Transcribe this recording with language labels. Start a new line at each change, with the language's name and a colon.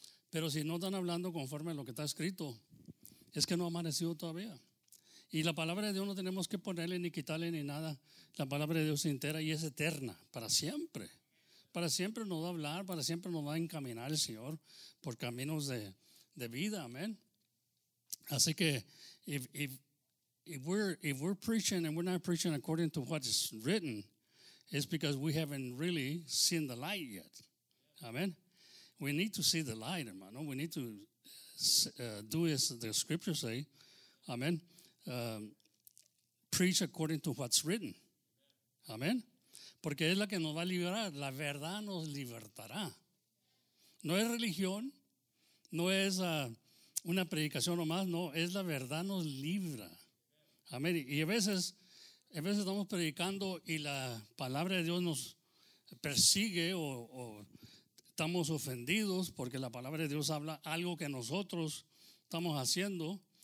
Spanish: Pero si no están hablando conforme a lo que está escrito, es que no ha amanecido todavía. Y la palabra de Dios no tenemos que ponerle ni quitarle ni nada. La palabra de Dios es entera y es eterna, para siempre. Para siempre nos va a hablar, para siempre nos va a encaminar el Señor por caminos de vida, amén. Así que
English: if we're preaching and we're not preaching according to what is written, it's because we haven't really seen the light yet, amén. We need to see the light, hermano. We need to do as the scriptures say, amén. Preach according to what's written, amén.
Spanish: Porque es la que nos va a liberar. La verdad nos libertará. No es religión. No es una predicación nomás. No, es la verdad nos libra. Amén. Y a veces estamos predicando y la palabra de Dios nos persigue o estamos ofendidos porque la palabra de Dios habla algo que nosotros estamos haciendo.